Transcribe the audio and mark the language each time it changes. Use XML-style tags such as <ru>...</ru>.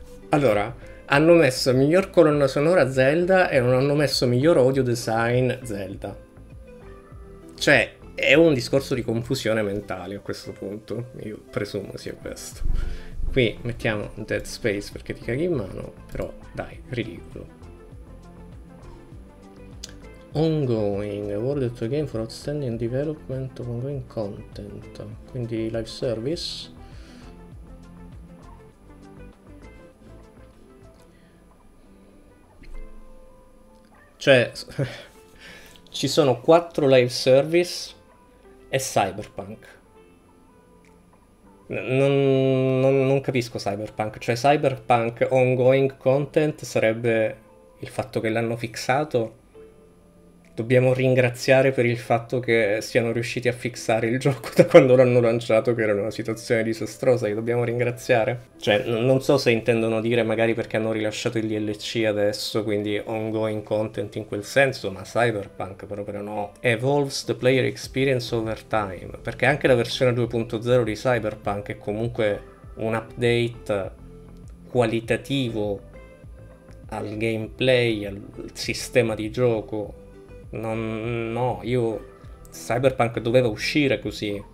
<it>Allora, hanno messo miglior colonna sonora Zelda e non hanno messo miglior audio design Zelda. Cioè, è un discorso di confusione mentale a questo punto. Io presumo sia questo. Qui mettiamo Dead Space perché ti caghi in mano, però dai, ridicolo.</it> <en>Ongoing, awarded to a game for outstanding development of ongoing content,</en> <it>quindi</it> <en>live service.</en> <it>Cioè, ci sono 4 live service e Cyberpunk. Non capisco Cyberpunk, cioè Cyberpunk ongoing content sarebbe il fatto che l'hanno fixato. Dobbiamo ringraziare per il fatto che siano riusciti a fixare il gioco da quando l'hanno lanciato, che era una situazione disastrosa, che dobbiamo ringraziare. Cioè, non so se intendono dire magari perché hanno rilasciato il DLC adesso, quindi ongoing content in quel senso, ma Cyberpunk proprio no.</it> <en>Evolves the player experience over time.</en> <it>Perché anche la versione 2.0 di Cyberpunk è comunque un update qualitativo al gameplay, al sistema di gioco. Non, no, io Cyberpunk doveva uscire così.</it>